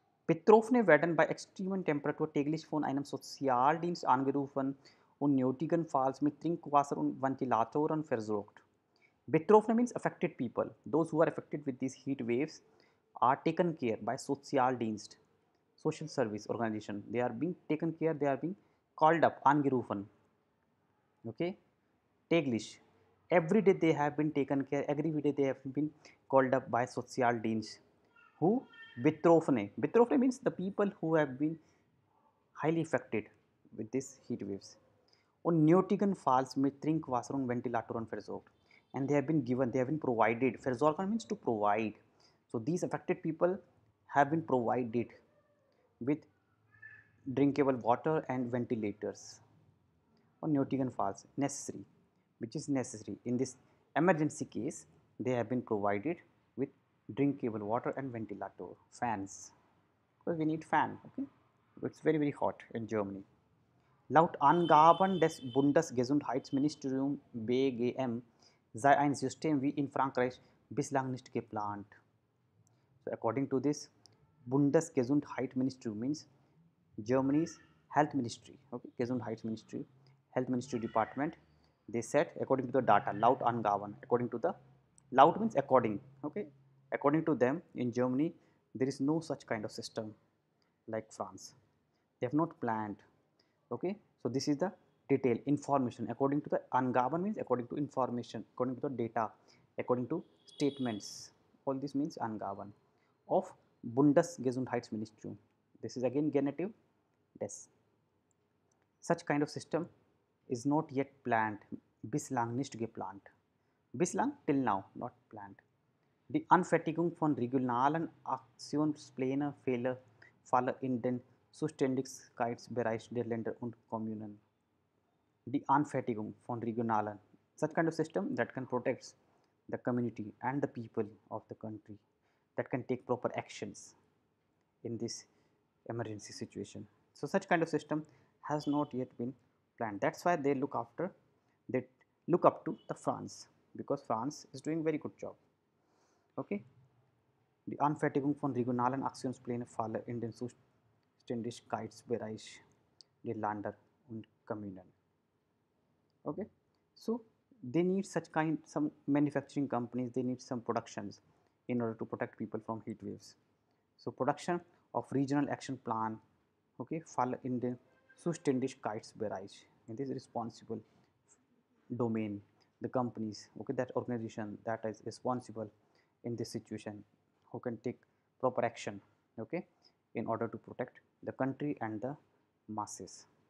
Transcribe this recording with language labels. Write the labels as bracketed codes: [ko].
[de] Betroffene werden bei extremen Temperatur täglich von einem Sozialdienst angerufen und nötigenfalls mit Trinkwasser und Ventilatoren versorgt. [en] Betroffene means affected people. Those who are affected with these heat waves are taken care by Sozialdienst, social service organization. They are being taken care, they are being called up, angerufen. Okay? Täglich. Every day they have been taken care, every day they have been called up by Sozialdienst. Who? Betroffene. Betroffene means the people who have been highly affected with this heat waves. [de] Und nötigenfalls mit Trinkwasser und Ventilatoren versorgt. [en] And they have been given, they have been provided. Versorgen means to provide. So these affected people have been provided with drinkable water and ventilators. [de] Und nötigenfalls, [en] necessary, which is necessary. In this emergency case, they have been provided with drinkable water and ventilator, fans. Because we need fan, okay? It's very, very hot in Germany. [de] Laut Angaben des Bundesgesundheitsministeriums BGM sei ein System wie in Frankreich bislang nicht geplant. [en] So according to this, Bundesgesundheitsministerium means Germany's health ministry, okay? Gesundheitsministry, health ministry department. They said according to the data, [de] laut Angaben, [en] according to the, laut means according, okay? According to them, in Germany, there is no such kind of system like France. They have not planned. Okay, so this is the detail, information. According to the Angaben means according to information, according to the data, according to statements. All this means Angaben of Bundesgesundheitsministerium. This is again genitive, des. Such kind of system is not yet planned. [de] Bislang nicht geplant. [en] Bislang, till now, not planned. [de] Die Anfertigung von regionalen Aktionsplänen falle in den Zuständigkeitsbereich der Länder und Kommunen. Die Anfertigung von regionalen. [en] Such kind of system that can protect the community and the people of the country, that can take proper actions in this emergency situation. So such kind of system has not yet been planned. That's why they look up to the France, because France is doing very good job. Okay. [de] Die Anfertigung von regionalen Aktionsplänen falle in den Zuständigkeitsbereich der Länder und Kommunen. [en] Okay, so they need such kind, some manufacturing companies, they need some productions in order to protect people from heat waves. So production of regional action plan, okay, fall in the Zuständigkeitsbereich, in this responsible domain, the companies, okay, that organization that is responsible in this situation, who can take proper action, okay, in order to protect the country and the masses.